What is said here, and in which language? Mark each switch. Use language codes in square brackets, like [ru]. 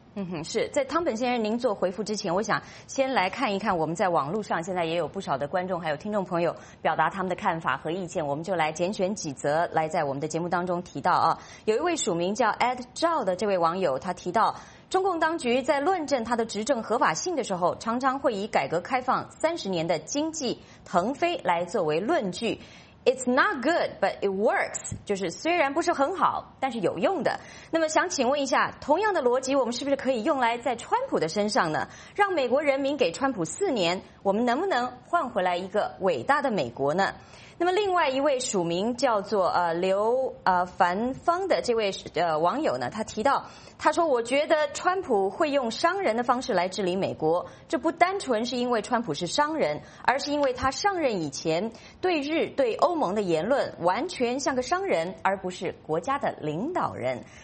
[zh] 嗯哼，是在汤本先生您做回复之前，我想先来看一看我们在网络上现在也有不少的观众还有听众朋友表达他们的看法和意见，我们就来拣选几则来在我们的节目当中提到啊。有一位署名叫 Ed Zhao 的这位网友，他提到中共当局在论证他的执政合法性的时候，常常会以改革开放30年的经济腾飞来作为论据。 [en] It's not good, but it works. [zh] 就是虽然不是很好，但是有用的。那么想请问一下，同样的逻辑我们是不是可以用来在川普的身上呢？让美国人民给川普4年，我们能不能换回来一个伟大的美国呢？那么另外一位署名叫做刘凡芳的这位网友呢，他提到，他说我觉得川普会用商人的方式来治理美国，这不单纯是因为川普是商人，而是因为他上任以前对日对欧盟的言论完全像个商人而不是国家的领导人。